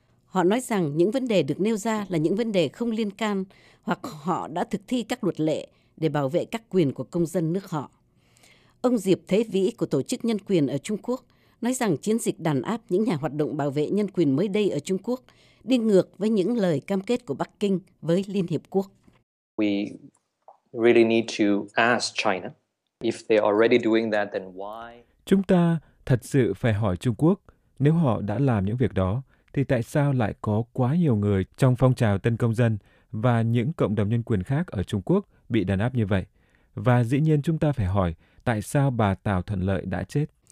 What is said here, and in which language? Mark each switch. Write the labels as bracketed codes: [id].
[vi] Họ nói rằng những vấn đề được nêu ra là những vấn đề không liên can hoặc họ đã thực thi các luật lệ để bảo vệ các quyền của công dân nước họ. Ông Diệp Thế Vĩ của Tổ chức Nhân quyền ở Trung Quốc nói rằng chiến dịch đàn áp những nhà hoạt động bảo vệ nhân quyền mới đây ở Trung Quốc đi ngược với những lời cam kết của Bắc Kinh với Liên Hiệp Quốc. [en] We really need to ask China if they are already doing that, then why? [vi] Chúng ta thật sự phải hỏi Trung Quốc, nếu họ đã làm những việc đó, thì tại sao lại có quá nhiều người trong phong trào Tân Công Dân và những cộng đồng nhân quyền khác ở Trung Quốc bị đàn áp như vậy? Và dĩ nhiên chúng ta phải hỏi tại sao bà Tào Thuận Lợi đã chết?